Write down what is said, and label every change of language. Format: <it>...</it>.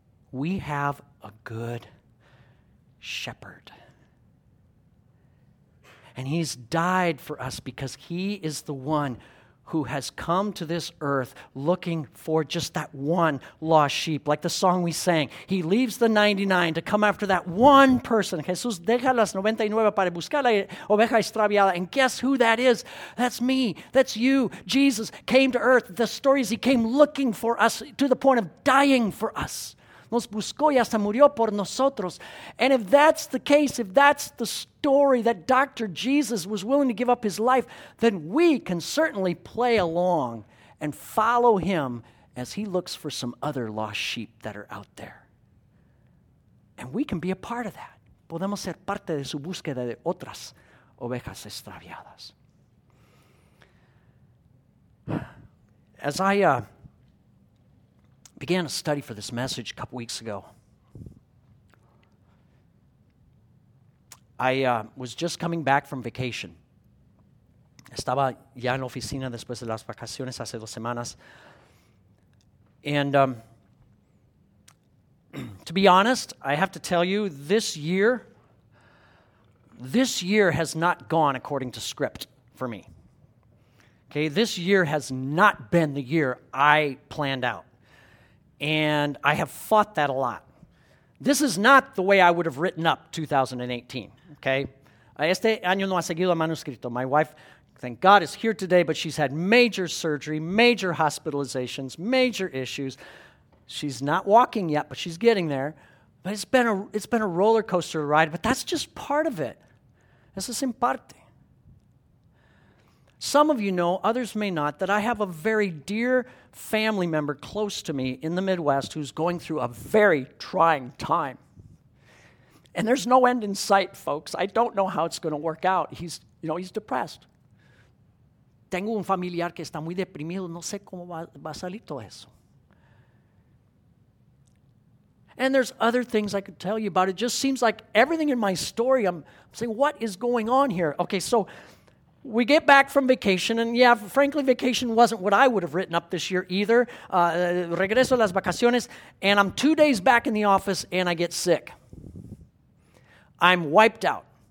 <en>We have a good shepherd. And he's died for us because he is the one who has come to this earth looking for just that one lost sheep. Like the song we sang, he leaves the 99 to come after that one person.</en> <es>Jesús deja las 99 para buscar la oveja extraviada.</es> <en>And guess who that is? That's me. That's you. Jesus came to earth. The story is he came looking for us to the point of dying for us.</en> <es>Nos buscó y hasta murió por nosotros.</es> <en>And if that's the case, if that's the story that Dr. Jesus was willing to give up his life, then we can certainly play along and follow him as he looks for some other lost sheep that are out there. And we can be a part of that.</en> <es>Podemos ser parte de su búsqueda de otras ovejas extraviadas.</es> <en>As I began a study for this message a couple weeks ago, I was just coming back from vacation.</en> <es>Estaba ya en la oficina después de las vacaciones hace dos semanas.</es> <en>And to be honest, I have to tell you, this year has not gone according to script for me. Okay, this year has not been the year I planned out. And I have fought that a lot. This is not the way I would have written up 2018, okay?</en> <es>Este año no ha seguido el manuscrito.</es> <en>My wife, thank God, is here today, but she's had major surgery, major hospitalizations, major issues. She's not walking yet, but she's getting there. But it's been a roller coaster ride, but that's just part of it.</en> <es>Eso es en parte.</es> <en>Some of you know, others may not, that I have a very dear family member close to me in the Midwest who's going through a very trying time. And there's no end in sight, folks. I don't know how it's going to work out. He's depressed.</en> <es>Tengo un familiar que está muy deprimido. No sé cómo va a salir todo eso.</es> <en>And there's other things I could tell you about. It just seems like everything in my story, I'm saying, what is going on here? Okay, so we get back from vacation, and yeah, frankly, vacation wasn't what I would have written up this year either.</en> <es>Regreso a las vacaciones,</es> <en>and I'm 2 days back in the office, and I get sick. I'm wiped out.</en>